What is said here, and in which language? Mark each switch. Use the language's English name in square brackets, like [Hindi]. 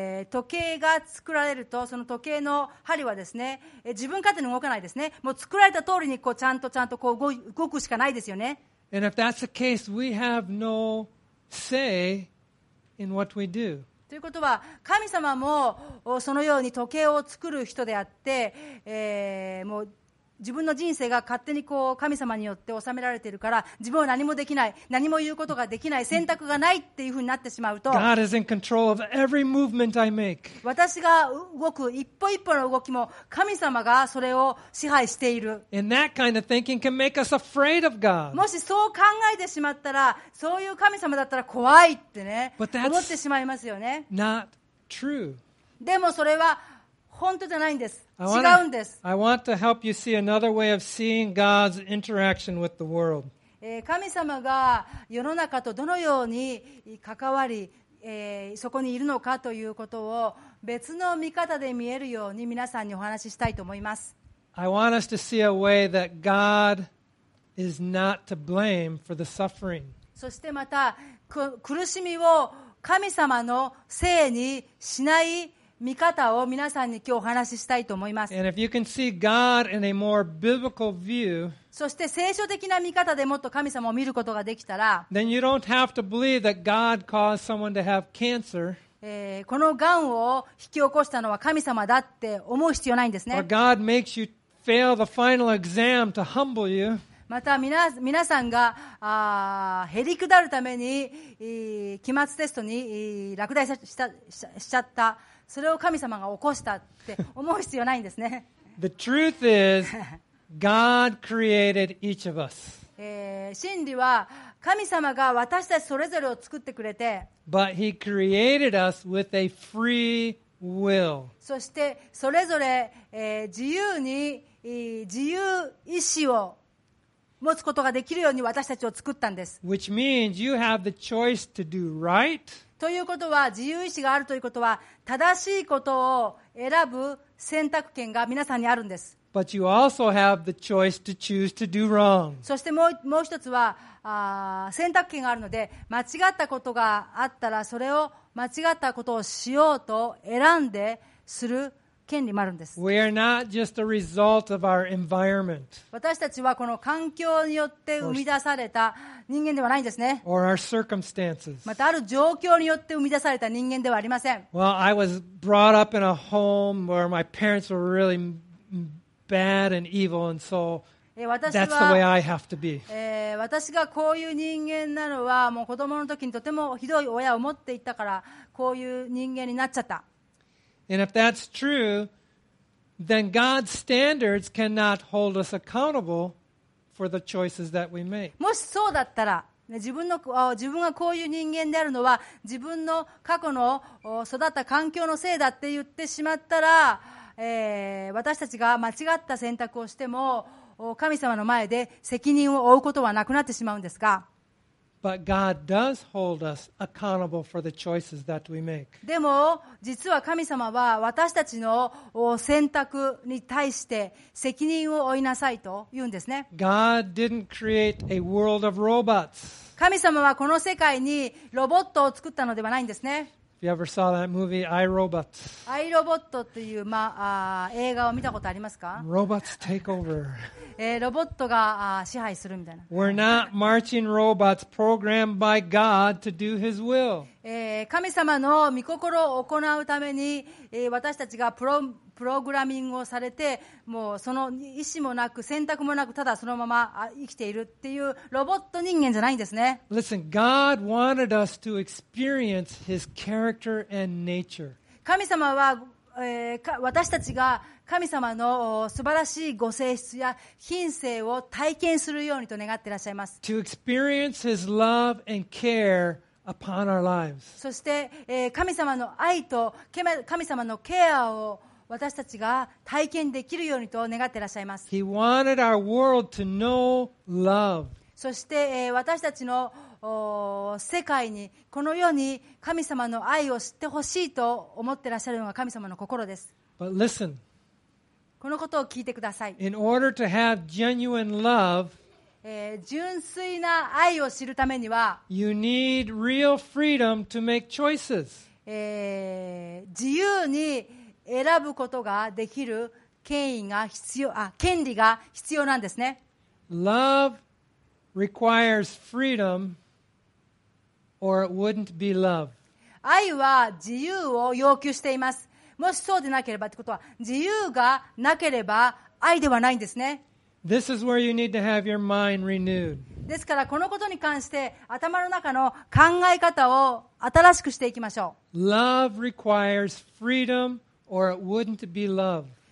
[Japanese] 時計が作られるとその時計の針はですね、自分勝手に動かないですね。もう作られた通りにこうちゃんとちゃんとこう動くしかないですよね。 [English] And if that's the case, we have no say in what we do. [Japanese] ということは神様もそのように時計を作る人であって、もう自分の人生が勝手にこう神様によって収められているから自分は何もできない何も言うことができない選択がないっていうふうになってしまうと [English] God is in control of every movement I make. [Japanese] 私が動く一歩一歩の動きも神様がそれを支配している [English] And that kind of thinking can make us afraid of God. [Japanese] もしそう考えてしまったらそういう神様だったら怖いってね [English] But that's [Japanese] 思ってしまいますよね [English] not true. [Japanese] でもそれは本当じゃないんです。違うんです。 [English] I want to help you see another way of seeing God's interaction with the world. [Japanese] 神様が世の中とどのように関わり、そこにいるのかということを別の見方で見えるように皆さんにお話ししたいと思います。 [English] I want us to see a way that God is not to blame for the suffering. [Japanese] そしてまた苦しみを神様のせいにしない見方を皆さんに今日お話ししたいと思います。 [English] And if you can see God in a more biblical view, [Japanese] そして聖書的な見方でもっと神様を見ることができたら、 [English] then you don't have to believe that God caused someone to have cancer. [Japanese] このがんを引き起こしたのは神様だって思う必要ないんですね。 [English] Or God makes you fail the final exam to humble you. [Japanese] また皆さんがへりくだるために期末テストに落第しちゃった。それを神様が起こしたって思う必要ないんですね。 [English] The truth is, God created each of us. [Japanese] 真理は神様が私たちそれぞれを作ってくれて、 [English] But He created us with a free will. [Japanese] そしてそれぞれ自由に自由意志を持つことができるように私たちを作ったんです。 [English] Which means you have the choice to do right. [Japanese] ということは自由意志があるということは正しいことを選ぶ選択権が皆さんにあるんです。 [English] But you also have the choice to choose to do wrong. [Japanese] そしてもう一つは選択権があるので間違ったことがあったらそれを間違ったことをしようと選んでする権利もあるんです。 [English] We are not just a result of our environment. [Japanese] 私たちはこの環境によって生み出された人間ではないんですね。 [English] Or our circumstances. [Japanese] またある状況によって生み出された人間ではありません。 [English] Well, I was brought up in a home where my parents were really bad and evil, and so that's the way I have to be. [Japanese] 私がこういう人間なのはもう子供の時にとてもひどい親を持っていたからこういう人間になっちゃった。 [English] And if that's true, then God's standards cannot hold us accountable for the choices that we make. [Japanese] もしそうだったら、自分がこういう人間であるのは自分の過去の育った環境のせいだって言ってしまったら、私たちが間違った選択をしても神様の前で責任を負うことはなくなってしまうんですが。 [English] But God does hold us accountable for the choices that we make. [Japanese] でも実は神様は私たちの選択に対して責任を負いなさいと言うんですね。 [English] God didn't create a world of robots. [Japanese] 神様はこの世界にロボットを作ったのではないんですね。 [English] If you ever saw that movie, I, Robot. [Japanese] I, Robot という、映画を見たことありますか? [English] Robots take over. [Japanese] ロボットが支配するみたいな。 [English] We're not marching robots programmed by God to do His will. [Japanese] 神様の御心を行うために、私たちがプログラミングをされて、もうその意思もなく選択もなくただそのまま生きているっていうロボット人間じゃないんですね。 [English] Listen, God wanted us to experience His character and nature. [Japanese] 神様は、私たちが神様の素晴らしいご性質や品性を体験するようにと願っていらっしゃいます。 [English] To experience His love and care. Upon our lives. [Japanese] そして、神様の愛と神様のケアを私たちが体験できるようにと願っていらっしゃいます。 [English] He wanted our world to know love. [Japanese] そして、私たちの世界にこの世に神様の愛を知ってほしいと思っていらっしゃるのが神様の心です。 [English] But listen. [Japanese] このことを聞いてください。 [English] In order to have genuine love. [Japanese] 純粋な愛を知るためには [English] You need real freedom to make choices. [Japanese] 自由に選ぶことができる権利が必要なんですね。 [English] Love requires freedom or it wouldn't be love. [Japanese] 愛は自由を要求しています。もしそうでなければってことは自由がなければ愛ではないんですね。 [English] This is where you need to have your mind renewed. [Japanese] ですからこのことに関して頭の中の考え方を新しくしていきましょう。 [English] Love requires freedom or it wouldn't be love.